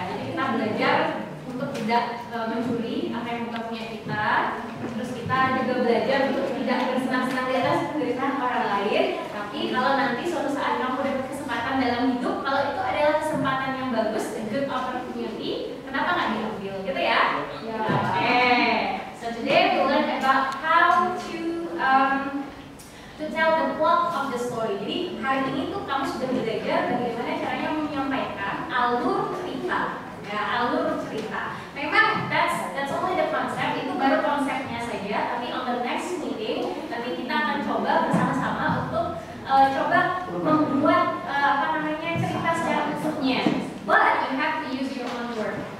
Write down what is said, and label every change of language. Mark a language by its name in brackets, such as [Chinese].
[Indonesian] Belajar untuk tidak mencuri apa yang bukan punya kita. Terus kita juga belajar untuk tidak bersenang-senang di atas penderitaan orang lain. Tapi kalau nanti suatu saat kamu dapat kesempatan dalam hidup, kalau itu adalah kesempatan yang bagus, [English] a good opportunity, [Indonesian] kenapa nggak diambil? Gitu ya? Yeah. [English] Okay. So today we learn about how to tell the plot of the story. [Indonesian] Jadi hari ini tuh kamu sudah belajar bagaimana caranya menyampaikan alur cerita. Ya, alur cerita. Memang [English] that's only the concept, [Indonesian] itu baru konsepnya saja. Tapi [English] on the next meeting, [Indonesian] nanti kita akan coba bersama-sama untuk coba membuat cerita secara utuhnya. [English] But you have to use your own word.